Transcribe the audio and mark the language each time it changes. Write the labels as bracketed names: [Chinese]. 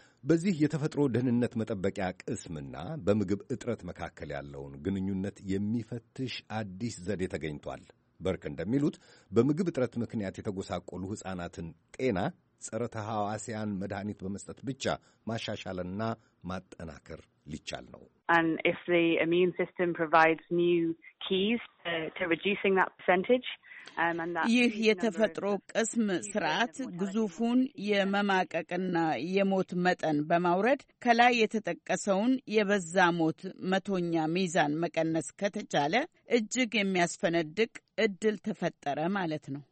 [Amharic] በዚህ የተፈጥሮ ደህንነት መጠበቂያ ቅስምና በምግብ እጥረት መካከል ያለውን ግንኙነት የሚፈትሽ አዲስ ዘዴ ተገኝቷል። በርክ እንደሚሉት በምግብ እጥረት ምክንያት የተጎሳቆሉ ሕፃናትን ጤና ጸረ ተሐዋስያን መድኃኒት በመስጠት ብቻ ማሻሻልና ማጠናከር ሊቻል ነው። [English] And if the immune system provides new keys to reducing that percentage, [Amharic] ይህ የተፈጥሮ ቅስም ስርዓት ግዙፉን የመማቀቅና የሞት መጠን በማውረድ ከላይ የተጠቀሰውን የበዛ ሞት መቶኛ ሚዛን መቀነስ ከተቻለ እጅግ የሚያስፈነድቅ እድል ተፈጠረ ማለት ነው።